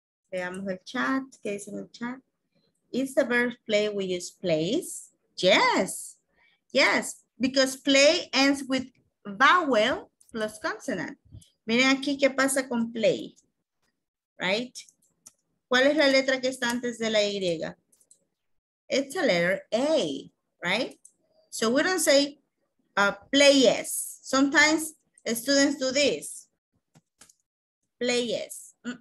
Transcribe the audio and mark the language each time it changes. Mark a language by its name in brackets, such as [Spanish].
[Spanish] Veamos el chat, ¿qué dice en el chat? [English] Is the verb play, we use place? Yes, yes, because play ends with vowel plus consonant. [Spanish] Miren aquí qué pasa con play, right? ¿Cuál es la letra que está antes de la Y? [English] It's a letter A, right? So we don't say play yes. Sometimes students do this, play yes.